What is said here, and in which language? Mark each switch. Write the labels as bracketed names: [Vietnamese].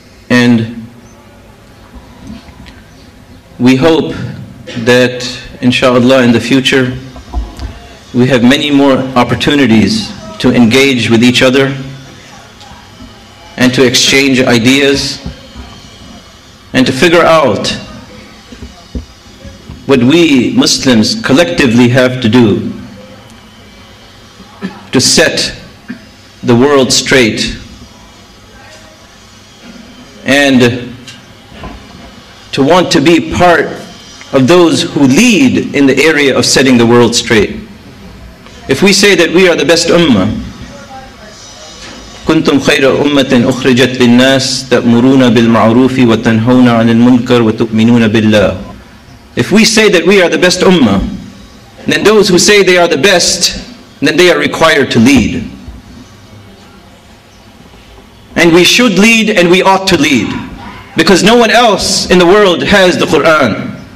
[English] And we hope that inshallah in the future we have many more opportunities to engage with each other and to exchange ideas and to figure out what we Muslims collectively have to do to set the world straight and to want to be part of those who lead in the area of setting the world straight. If we say that we are the best ummah, [Arabic] كنتم خير أمة أخرجت للناس تأمرون بالمعروف وتنهون عن المنكر وتؤمنون بالله. [English] If we say that we are the best ummah, then those who say they are the best that they are required to lead. And we should lead and we ought to lead, because no one else in the world has the Quran.